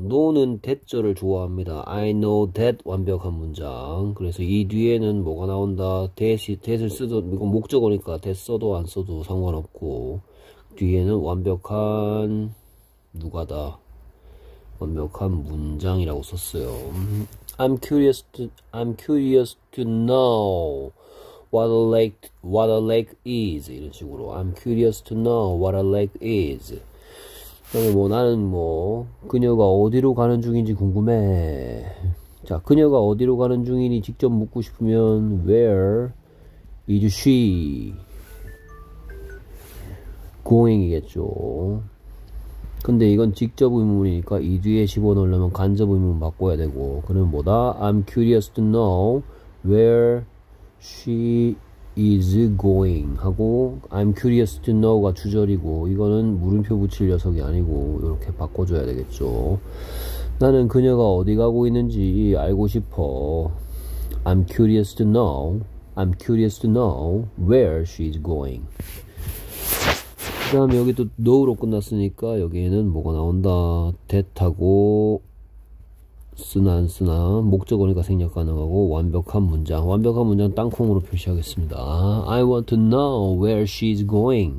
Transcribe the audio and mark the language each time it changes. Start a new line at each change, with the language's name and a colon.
Korean: know는 that절을 좋아합니다.
English: I know that
Korean: 완벽한 문장. 그래서 이 뒤에는 뭐가 나온다. that을 써도, 이거 목적어니까 that 써도 안 써도 상관없고, 뒤에는 완벽한 누가다. 완벽한 문장이라고 썼어요.
English: I'm curious to know what a lake is.
Korean: 이런 식으로
English: I'm curious to know what a lake is.
Korean: 그다음에 뭐 나는 뭐 그녀가 어디로 가는 중인지 궁금해. 자, 그녀가 어디로 가는 중이니 직접 묻고 싶으면
English: where is she going
Korean: 이겠죠. 근데 이건 직접 의문이니까 이 뒤에 집어넣으려면 간접 의문 바꿔야 되고, 그러면 뭐다?
English: I'm curious to know where she is going 하고, I'm curious to know가 주절이고,
Korean: 이거는 물음표 붙일 녀석이 아니고 이렇게 바꿔줘야 되겠죠. 나는 그녀가 어디 가고 있는지 알고 싶어.
English: I'm curious to know where she is going.
Korean: 그 다음에 여기 또 no로 끝났으니까 여기에는 뭐가 나온다? that하고 쓰나 목적 어니까 생략 가능하고 완벽한 문장 땅콩으로 표시하겠습니다.
English: I want to know where she's going.